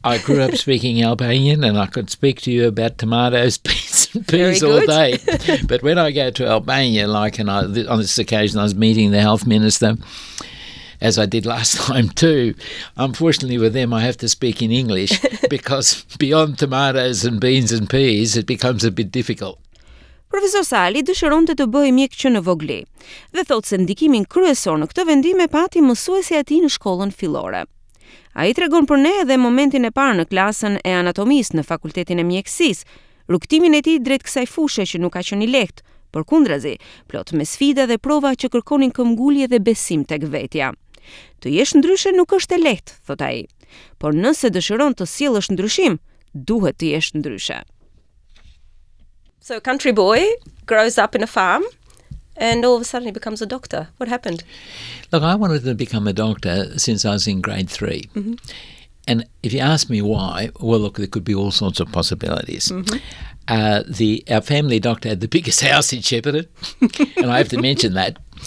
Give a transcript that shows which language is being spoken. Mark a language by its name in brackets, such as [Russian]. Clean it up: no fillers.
[English] I grew up speaking Albanian, and I could speak to you about tomatoes, peas and peas all day. But when I go to Albania, on this occasion, I was meeting the health minister, as I did last time too. Unfortunately, with them, I have to speak in English because beyond tomatoes and beans and peas, it becomes a bit difficult. [Albanian] Profesor Sali dëshiron të bëjë mjek që në vogli dhe thotë se ndikimin kryesor në këtë vendim e pati mësuesi ati në shkollën filore. A i tregon për ne edhe momentin e parë në klasën e anatomisë në fakultetin e mjekësisë, rukëtimin e ti drejt kësaj fushe që nuk ka qenë lehtë, për kundrazi, plot me sfida dhe prova që kërkonin këmbgulje dhe besim tek vetja. Të jesh ndryshe nuk është e lehtë, thotë ai, por nëse dëshiron të sjellësh ndryshim, duhet të jesh ndryshe. [English] So a country boy grows up in a farm and all of a sudden he becomes a doctor. What happened? Look, I wanted to become a doctor since I was in grade 3. Mm-hmm. And if you ask me why, well, look, there could be all sorts of possibilities. Mm-hmm. Our family doctor had the biggest house in Shepparton, and I have to mention that.